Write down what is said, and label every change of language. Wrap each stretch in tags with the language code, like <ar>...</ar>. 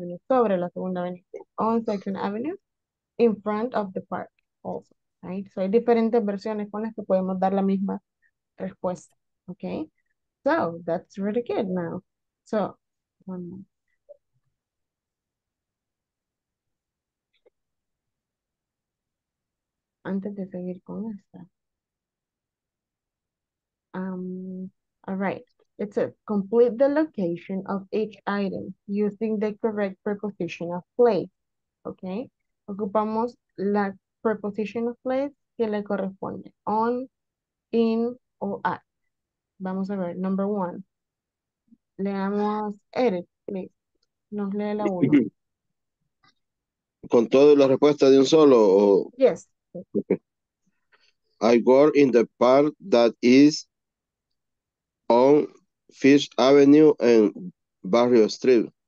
<en>In front of the park, on Second Avenue, in front of the park also, right?</en> <es>So hay diferentes versiones con las que podemos dar la misma respuesta, okay?</es> <en>So that's really good now. So one more.</en> <es>Antes de seguir con esta.</es> <en>All right, it says complete the location of each item using the correct preposition of place.</en> <es>Okay, ocupamos la preposition of place que le corresponde, on, in, or at. Vamos a ver, number one. Leamos Edith, please. Nos lee la uno. con toda la respuesta de un solo o</es> <en>Yes. I work in the part that is on Fish Avenue and Barrio Street.</en>